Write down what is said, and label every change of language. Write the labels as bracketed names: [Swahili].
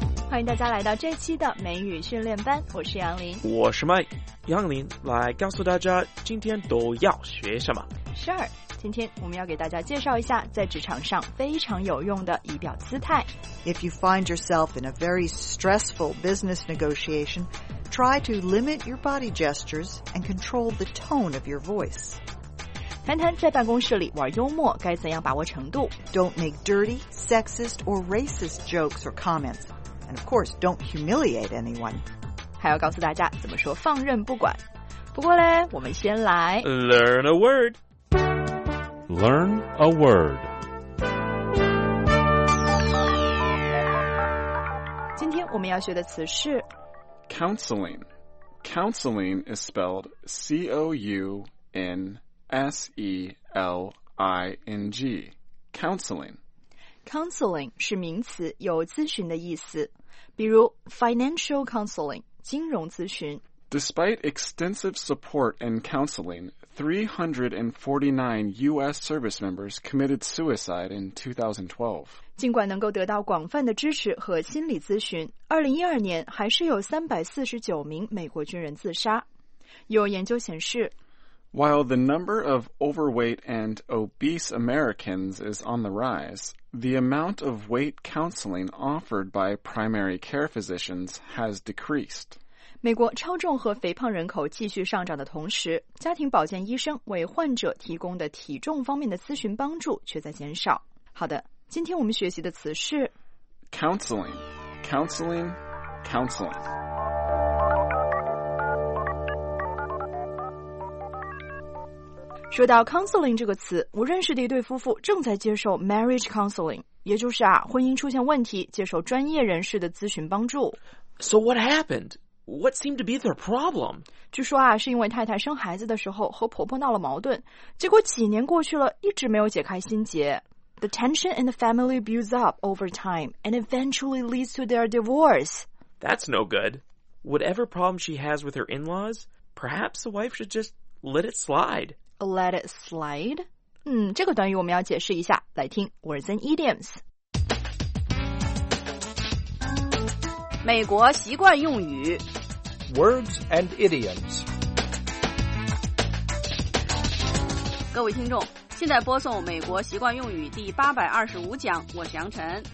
[Chinese] 欢迎大家来到这期的美语训练班，我是杨林。我是麦。杨林，来告诉大家今天都要学什么。 Sure，今天我们要给大家介绍一下在职场上非常有用的仪表姿态。 [English] If you find yourself in a very stressful business negotiation, try to limit your body gestures and control the tone of your voice. [Chinese] 谈谈在办公室里玩幽默该怎样把握程度。 [English] Don't make dirty, sexist, or racist jokes or comments. And of course, don't humiliate anyone. [Chinese] 还要告诉大家怎么说放任不管。不过呢，我们先来 [English] Learn a word. Learn a word. [Chinese] 今天我们要学的词是 [English] Counseling. Counseling is spelled C-O-U-N-S-E-L-I-N-G. Counseling. [Chinese] Counseling 是名词，有咨询的意思。比如 [English] financial counseling, [Chinese] 金融咨询。 [English] Despite extensive support and counseling, 349 U.S. service members committed suicide in 2012. [Chinese] 尽管能够得到广泛的支持和心理咨询，2012年还是有349名美国军人自杀。有研究显示， [English] While the number of overweight and obese Americans is on the rise, the amount of weight counseling offered by primary care physicians has decreased. [Chinese] 美国超重和肥胖人口继续上涨的同时，家庭保健医生为患者提供的体重方面的咨询帮助却在减少。好的，今天我们学习的词是 [English] counseling, counseling, counseling. [Chinese] 说到 counseling 这个词，我认识的一对夫妇正在接受 [English] marriage counseling， [Chinese] 也就是啊，婚姻出现问题，接受专业人士的咨询帮助。 [English] So what happened? What seemed to be their problem? 据说啊，是因为太太生孩子的时候和婆婆闹了矛盾，结果几年过去了，一直没有解开心结。 The tension in the family builds up over time and eventually leads to their divorce. That's no good. Whatever problem she has with her in-laws, perhaps the wife should just let it slide. Let it slide. [Chinese] 这个短语我们要解释一下，来听 [English] words and idioms. [Chinese] 美国习惯用语 [English] words and idioms. [Chinese] 各位听众，现在播送美国习惯用语第825讲，我是杨晨，